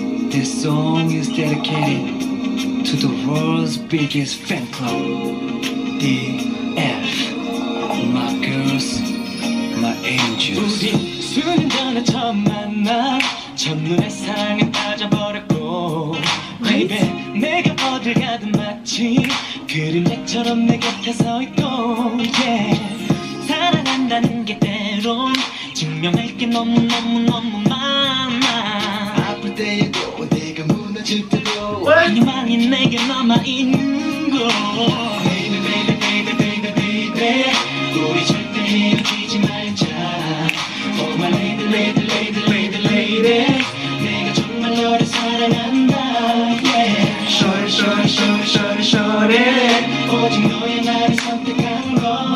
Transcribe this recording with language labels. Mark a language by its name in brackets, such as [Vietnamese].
[English] This song is dedicated to the world's biggest fan club, DF. My girls, my angels. [Korean] 우리 순간에 처음 만나 첫눈에 사랑에 빠져버렸고. [English] Baby, what? [Korean] 내가 어딜 가든 마치 그림자처럼 내 곁에 서 있고. [English] Yeah. [Korean] 사랑한다는 게 때론 증명할 게 너무너무너무 많아. 아플 때에도 내가 무너질 때도 희망이 내게 남아있는 곳. [English] Baby, baby, baby, baby, baby. [Korean] 우리 절대 헤어지지 말자. [English] Oh my lady, lady, lady, lady, lady. [Korean] 내가 정말 너를 사랑한다. [English] Yeah. Shorty, shorty, shorty, shorty, shorty. [Korean] 오직 너의 나를 선택한 건.